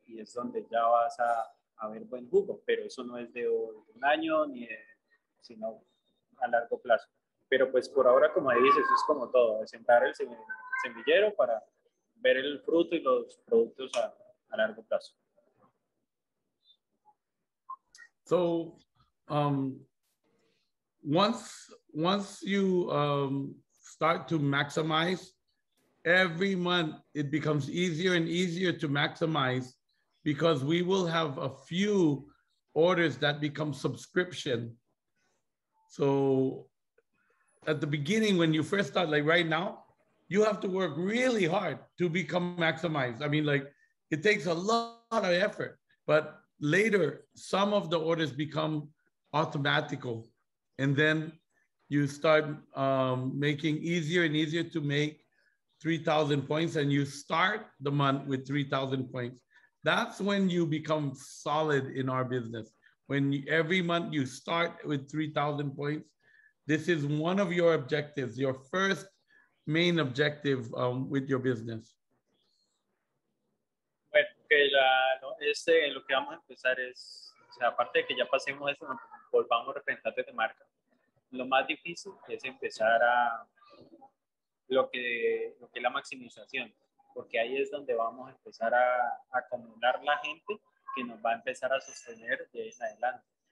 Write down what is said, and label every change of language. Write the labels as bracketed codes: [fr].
[es] Y es donde ya vas a ver buen jugo. Pero eso no es de un año, ni de, sino a largo plazo. Pero pues por ahora, como dices, es como todo. Es sembrar el semillero para ver el fruto y los productos a largo plazo. [en] So, once you start to maximize, every month it becomes easier and easier to maximize because we will have a few orders that become subscription. So at the beginning, when you first start, like right now, you have to work really hard to become maximized. I mean, like it takes a lot of effort, but later some of the orders become automatical and then you start making easier and easier to make 3,000 points and you start the month with 3,000 points. That's when you become solid in our business. When every month you start with 3,000 points, this is one of your objectives, your first main objective with your business. [es] Bueno, que ya, ¿no? En lo que vamos a empezar es, o sea, aparte de que ya pasemos eso, ¿no? Volvamos representantes de marca. Lo más difícil es empezar a lo que es la maximización, porque ahí es donde vamos a empezar a acumular la gente que nos va a empezar a sostener de ahí en adelante.